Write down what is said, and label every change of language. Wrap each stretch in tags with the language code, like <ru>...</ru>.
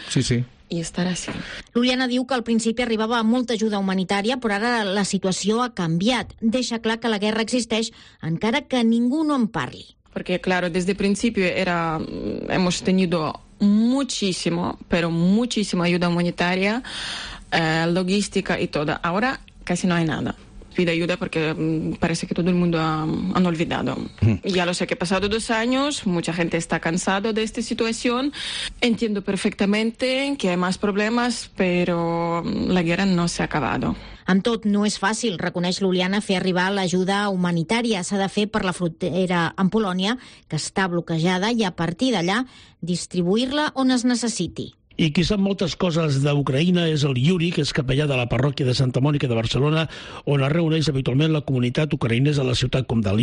<ca>Sí, sí. I estar així. Luliana diu que al principi arribava molta ajuda humanitària, però ara la situació ha canviat. Deixa clar que la guerra existeix, encara que ningú no en parli.</ca> <es>Porque, claro, desde el principio hemos tenido muchísimo, pero muchísima ayuda humanitaria, logística y todo. Ahora casi no hay nada. Pide ayuda porque parece que todo el mundo han olvidado. Ya lo sé que he pasado 2 años, mucha gente está cansada de esta situación. Entiendo perfectamente que hay más problemas, pero la guerra no se ha acabado.</es> <ca>Amb tot, no és fàcil, reconeix Luliana, fer arribar l'ajuda humanitària. S'ha de fer per la frontera amb Polònia, que està bloquejada, i a partir d'allà distribuir-la on es necessiti. I qui sap moltes coses d'Ucraïna és el Yuri, que és capellà de la parròquia de Santa Mònica de Barcelona, on es reuneix habitualment la comunitat ucraïnesa a la ciutat comtal.</ca>